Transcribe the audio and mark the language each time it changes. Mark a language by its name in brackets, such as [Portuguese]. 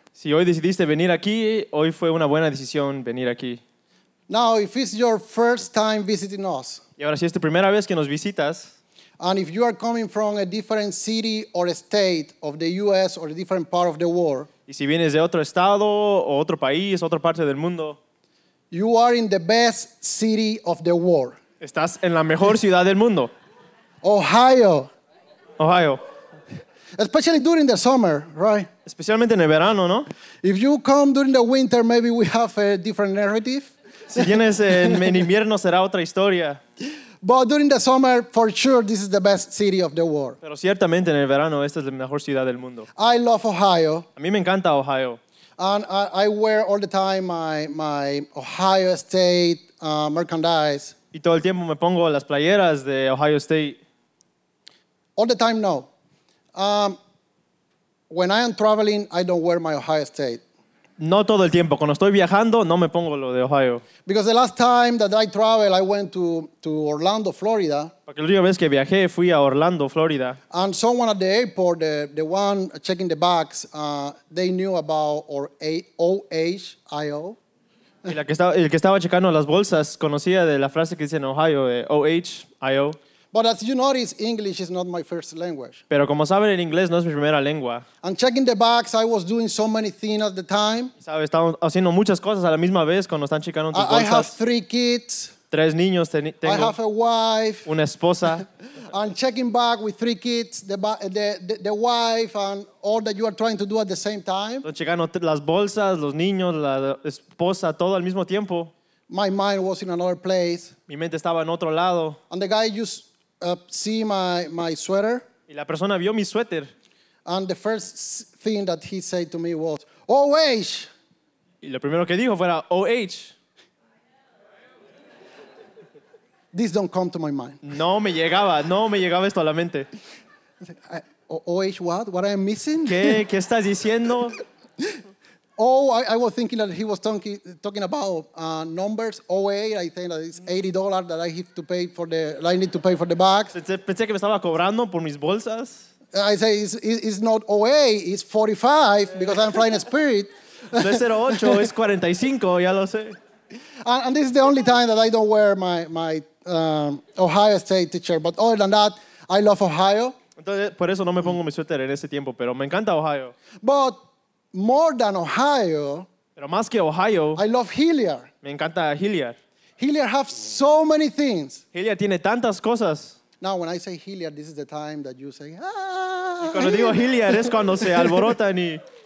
[Spanish] Si hoy decidiste venir aquí, hoy fue una buena decisión venir aquí. [English] Now, if it's your first time visiting us. [Spanish] Y ahora si es tu primera vez que nos visitas. [English] And if you are coming from a different city or a state of the U.S. or a different part of the world. [Spanish] Y si vienes de otro estado o otro país, otra parte del mundo. [English] You are in the best city of the world. [Spanish] Estás en la mejor ciudad del mundo. [English] Ohio. [Spanish] Ohio. [English] Especially during the summer, right? [Spanish] Especialmente en el verano, ¿no? [English] If you come during the winter, maybe we have a different narrative. [Spanish] Si vienes en invierno será otra historia. [English] But during the summer, for sure, this is the best city of the world. [Spanish] Pero ciertamente en el verano esta es la mejor ciudad del mundo. [English] I love Ohio. [Spanish] A mí me encanta Ohio. [English] And I wear all the time my Ohio State merchandise. [Spanish] Y todo el tiempo me pongo las playeras de Ohio State. [English] All the time, no. When I am traveling, I don't wear my Ohio State. [Spanish] No todo el tiempo. Cuando estoy viajando, no me pongo lo de Ohio. [English] Because the last time that I traveled, I went to Orlando, Florida. [Spanish] Porque la última vez que viajé, fui a Orlando, Florida. [English] And someone at the airport, the one checking the bags, they knew about our Ohio. [Spanish] Y el que estaba checando las bolsas conocía de la frase que dice en Ohio, Ohio. [English] But as you notice, English is not my first language. [Spanish] Pero como saben, el inglés no es mi primera lengua. [English] And checking the bags, I was doing so many things at the time. [Spanish] Sabes, estamos haciendo muchas cosas a la misma vez cuando están checando tus bolsas. [English] I have three kids. [Spanish] Tres niños tengo. [English] I have a wife. [Spanish] Una esposa. [English] And checking back with three kids, the wife and all that you are trying to do at the same time. [Spanish] Estoy checando las bolsas, los niños, la esposa, todo al mismo tiempo. [English] My mind was in another place. [Spanish] Mi mente estaba en otro lado. [English] And the guy just see my sweater. [Spanish] Y la persona vio mi suéter. [English] And the first thing that he said to me was, "Oh." [Spanish] Y lo primero que dijo fuera, "Oh." [English] This don't come to my mind. [Spanish] No me llegaba esto a la mente. [English] Oh, what? What am I missing? [Spanish] ¿Qué estás diciendo? [English] Oh, I was thinking that he was talking about numbers. OA, I think that it's $80 that I have to pay for the. I need to pay for the bags. [Spanish] Pensé que me estaba cobrando por mis bolsas. [English] I say it's not OA, it's 45 because I'm flying Spirit. [Spanish] No es 08, es 45. Ya lo sé. [English] And this is the only time that I don't wear my Ohio State T-shirt. But other than that, I love Ohio. [Spanish] Entonces, por eso no me pongo mi suéter en ese tiempo, pero me encanta Ohio. [English] But more than Ohio, [Spanish] pero más que Ohio, [English] I love Hilliard. [Spanish] Me encanta Hilliard. [English] Hilliard has so many things. [Spanish] Hilliard tiene tantas cosas. [English] Now, when I say Hilliard, this is the time that you say, ah. [Spanish] Y cuando digo Hilliard es cuando se alborotan y.